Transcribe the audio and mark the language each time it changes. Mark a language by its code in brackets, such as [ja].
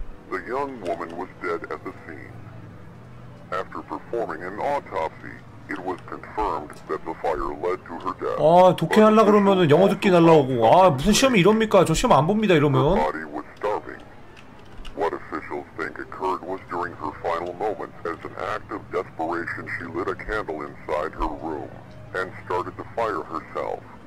[en] The young woman was dead at the scene. After performing an autopsy, it was confirmed that the fire led to her death. [ko] 아, 독해 날라 그러면은 영어 듣기 날라오고. 아, 무슨 시험이 이럽니까? 저 시험 안 봅니다, 이러면. [en] Her body was starving. What officials think occurred was during her final moments, as an act of desperation, she lit a candle inside her room and started the fire herself.